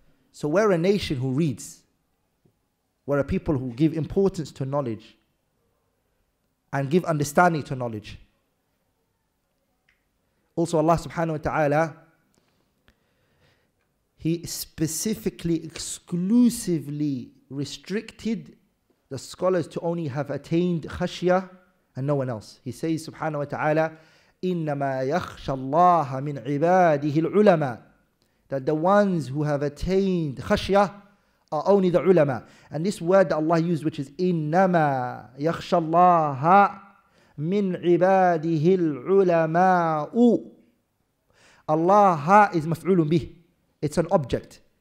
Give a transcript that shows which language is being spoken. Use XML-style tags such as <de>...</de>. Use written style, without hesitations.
<en>So we're a nation who reads. We're a people who give importance to knowledge and give understanding to knowledge. Also Allah subhanahu wa ta'ala, He specifically, exclusively restricted the scholars to only have attained khashya and no one else. He says, subhanahu wa ta'ala,</en> <ar>إِنَّمَا يَخْشَ اللَّهَ مِنْ عِبَادِهِ الْعُلَمَى.</ar> <en>That the ones who have attained khashya are only the ulama. And this word that Allah used, which is</en> <ar>إِنَّمَا يَخْشَ اللَّهَ مِنْ عِبَادِهِ الْعُلَمَاءُ.</ar> <en>Allah is maf'ulun bih. It's an object.</en>